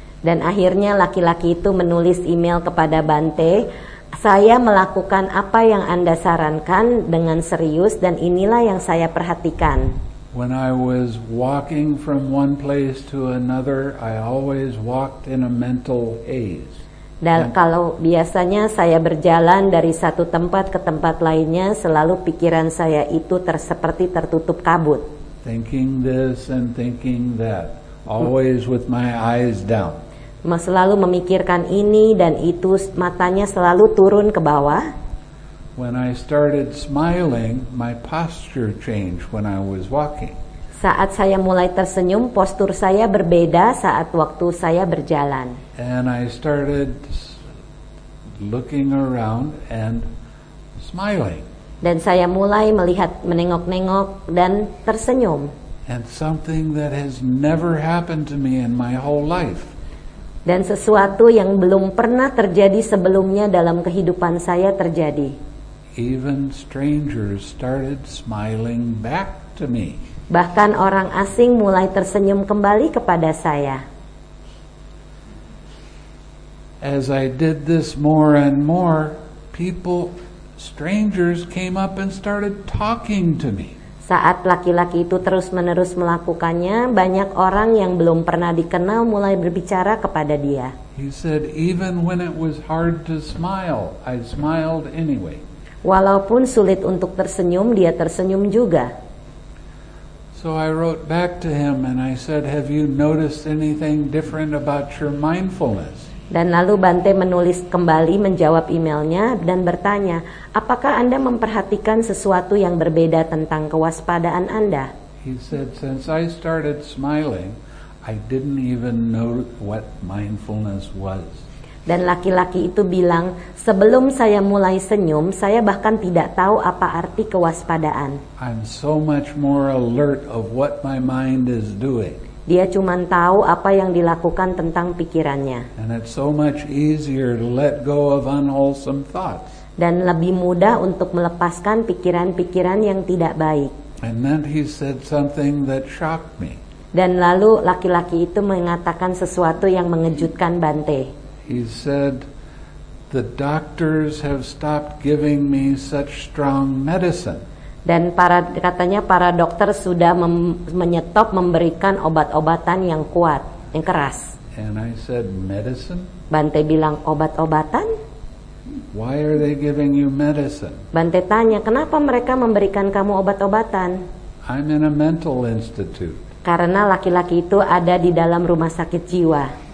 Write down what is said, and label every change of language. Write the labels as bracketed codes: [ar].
[id] Dan akhirnya laki-laki itu menulis email kepada Bante, saya melakukan apa yang Anda sarankan dengan serius dan inilah yang saya perhatikan. [en] When I was walking from one place to another, I always walked in a mental haze. [id] Dan kalau biasanya saya berjalan dari satu tempat ke tempat lainnya, selalu pikiran saya itu seperti tertutup kabut. [en] Thinking this and thinking that, always with my eyes down. [id] Selalu memikirkan ini dan itu, matanya selalu turun ke bawah. [en] When I started smiling, my posture changed when I was walking. [id] Saat saya mulai tersenyum, postur saya berbeda saat waktu saya berjalan. [en] And I started looking around and smiling. [id] Dan saya mulai melihat, menengok-nengok dan tersenyum. [en] And something that has never happened to me in my whole life. [id] Dan sesuatu yang belum pernah terjadi sebelumnya dalam kehidupan saya terjadi. [en] Even strangers started smiling back to me. [id] Bahkan orang asing mulai tersenyum kembali kepada saya. [en] As I did this more and more, people, strangers came up and started talking to me. [id] Saat laki-laki itu terus-menerus melakukannya, banyak orang yang belum pernah dikenal mulai berbicara kepada dia. [en] He said, even when it was hard to smile, I smiled anyway. [id] Walaupun sulit untuk tersenyum, dia tersenyum juga. [en] So I wrote back to him and I said, have you noticed anything different about your mindfulness? [id] Dan lalu Bante menulis kembali, menjawab emailnya dan bertanya, apakah Anda memperhatikan sesuatu yang berbeda tentang kewaspadaan Anda? [en] He said, since I started smiling, I didn't even know what mindfulness was. [id] Dan laki-laki itu bilang, sebelum saya mulai senyum, saya bahkan tidak tahu apa arti kewaspadaan. [en] I'm so much more alert of what my mind is doing. [id] Dia cuma tahu apa yang dilakukan tentang pikirannya. [en] And it's so much easier to let go of unwholesome thoughts. [id] Dan lebih mudah untuk melepaskan pikiran-pikiran yang tidak baik. [en] And then he said something that shocked me. [id] Dan lalu laki-laki itu mengatakan sesuatu yang mengejutkan Bante. [en] He said, the doctors have stopped giving me such strong medicine. [id] Dan katanya para dokter sudah menyetop memberikan obat-obatan yang kuat, yang keras. [en] And I said, medicine? [id] Bante bilang, obat-obatan? [en] Why are they giving you medicine? [id] Bante tanya, kenapa mereka memberikan kamu obat-obatan? [en] I'm in a mental institute. [id] Karena laki-laki itu ada di dalam rumah sakit jiwa.